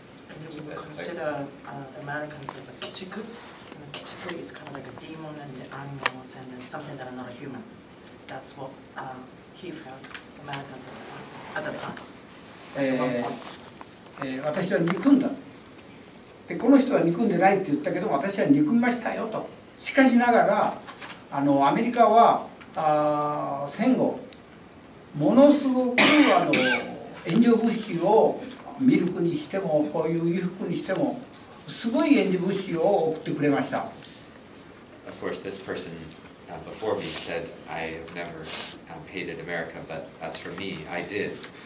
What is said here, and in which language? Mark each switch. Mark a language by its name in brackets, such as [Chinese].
[English] And you would consider the Americans as a kichiku. And a kichiku is kind of like a demon and the animals and something that are not a human. That's what he felt Americans at the time. At the time. [Japanese] 私は憎んだ。でこの人は憎んでないって言ったけど私は憎みましたよと。しかしながらあのアメリカは戦後ものすごくあの援助物資をミルクにしてもこういう衣服にしてもすごい援助物資を送ってくれました。 [English] Of course, this person before me said I have never hated America, but as for me, I did.